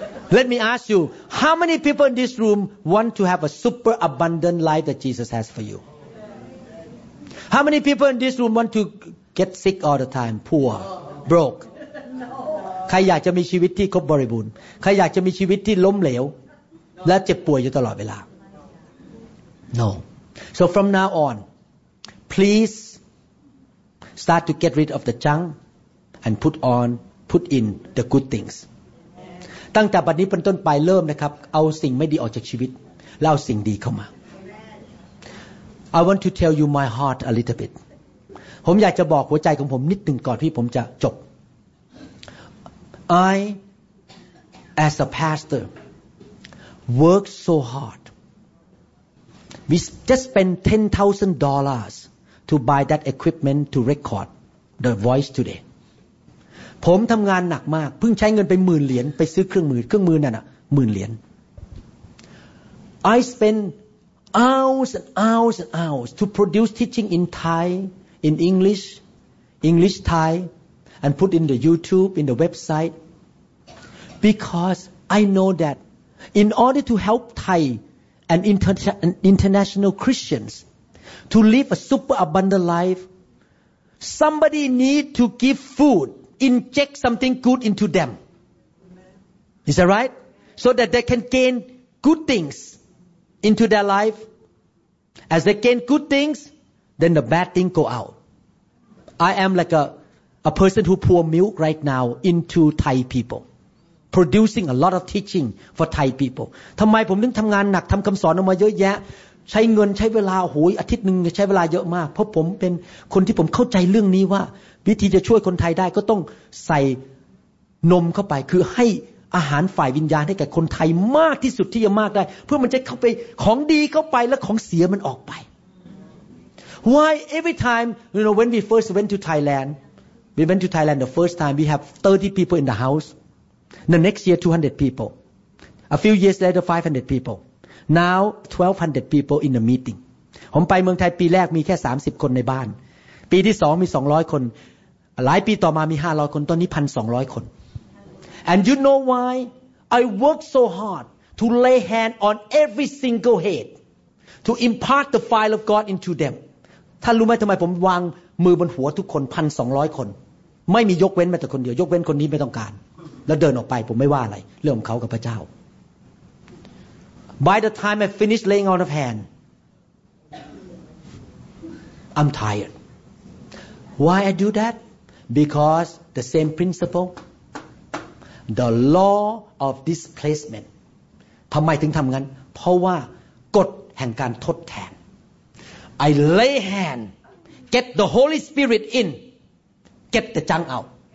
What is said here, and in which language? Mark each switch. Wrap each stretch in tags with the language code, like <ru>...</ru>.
<en>Let me ask you, how many people in this room want to have a super abundant life that Jesus has for you? How many people in this room want to get sick all the time? Poor, broke. No.</en> <th>ใครอยากจะมีชีวิตที่ครบบริบูรณ์ใครอยากจะมีชีวิตที่ล้มเหลวและเจ็บป่วยอยู่ตลอดเวลา No.</th> <en>So from now on, please start to get rid of the junk and put in the good things.</en> <th>ตั้งแต่บัดนี้เป็นต้นไปเริ่มนะครับเอาสิ่งไม่ดีออกจากชีวิตแล้วเอาสิ่งดีเข้ามา</th> <en>I want to tell you my heart a little bit.</en> <th>ผมอยากจะบอกหัวใจของผมนิดหนึ่งก่อนที่ผมจะจบ</th> <en>I, as a pastor, work so hard We just spent $10,000 to buy that equipment to record the voice today.</en> <th>ผมทำงานหนักมากเพิ่งใช้เงินไปหมื่นเหรียญไปซื้อเครื่องมือนั่นน่ะหมื่นเหรียญ</th> <en>I spent hours and hours and hours to produce teaching in Thai, in English Thai, and put in the YouTube, in the website, because I know that in order to help Thai and international Christians to live a super abundant life, somebody need to give food, inject something good into them. Is that right? So that they can gain good things into their life. As they gain good things, then the bad thing go out. I am like a person who pour milk right now into Thai people, producing a lot of teaching for Thai people.</en> <th>ทำไมผมถึงทำงานหนักทำคำสอนออกมาเยอะแยะใช้เงินใช้เวลาโอ้โหอาทิตย์นึงใช้เวลาเยอะมากเพราะผมเป็นคนที่ผมเข้าใจเรื่องนี้ว่าวิธีจะช่วยคนไทยได้ก็ต้องใส่นมเข้าไปคือให้อาหารฝ่ายวิญญาณให้แก่คนไทยมากที่สุดที่จะมากได้เพื่อมันจะเข้าไปของดีเข้าไปและของเสียมันออกไป</th> <en>Why every time you know when we went to Thailand the first time we have 30 people in the house the next year 200 people a few years later 500 people now 1200 people in the meeting</en> <th>ผมไปเมืองไทยปีแรกมีแค่30คนในบ้านปีที่2มี200คนหลายปีต่อมามี500คนตอนนี้ 1,200 คน</th> <en>And you know why I work so hard to lay hand on every single head to impart the fire of God into them.</en> <th>ท่านรู้ไหมทำไมผมวางมือบนหัวทุกคน 1,200 คนไม่มียกเว้นแม้แต่คนเดียวยกเว้นคนนี้ไม่ต้องการแล้วเดินออกไปผมไม่ว่าอะไรเรื่องของเขากับพระเจ้า</th> <en>By the time I finish laying on of hand I'm tired. Why I do that? Because the same principle. The law of displacement.</en> <th>ทำไมถึงทำงั้นเพราะว่ากฎแห่งการทดแทน</th> <en>I lay hand, get the Holy Spirit in, get the junk out.</en>